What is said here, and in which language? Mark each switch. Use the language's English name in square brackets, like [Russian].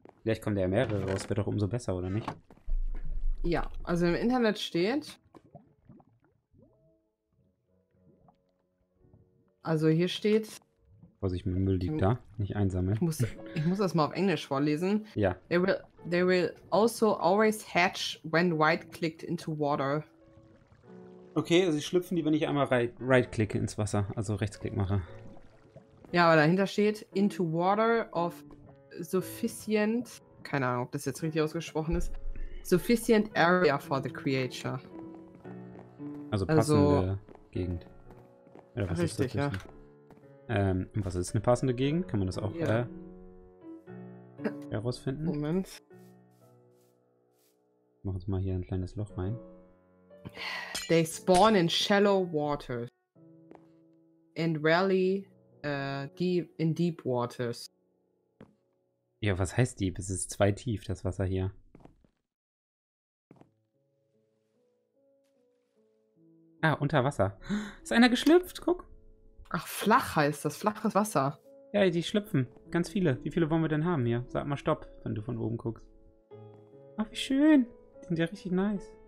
[German] Vielleicht kommen da ja mehrere raus. Wird doch umso besser, oder nicht? Ja, also im Internet steht... Also hier steht... Vorsicht, mein Müll liegt da. Nicht einsammeln. Ich muss das mal auf Englisch vorlesen. Ja. [English] They will also always hatch when right-clicked into water. [German] Okay, also schlüpfen die, wenn ich einmal right-click ins Wasser, also rechtsklick mache. Ja, aber dahinter steht [English] into water of sufficient... [German] Keine Ahnung, ob das jetzt richtig ausgesprochen ist. [English] sufficient area for the creature. [German] Also passende Gegend. Oder was richtig, ist das? Was ist eine passende Gegend? Kann man das auch herausfinden? Moment. Machen wir mal hier ein kleines Loch rein. [English] They spawn in shallow waters and rarely in deep waters. [German] Ja, was heißt deep? Es ist zwei tief, das Wasser hier. Ah, unter Wasser. Ist einer geschlüpft, guck. Ach, flach heißt das, flaches Wasser. Ja, die schlüpfen, ganz viele. Wie viele wollen wir denn haben hier? Sag mal Stopp, wenn du von oben guckst. Ach, wie schön. Die sind ja richtig nice.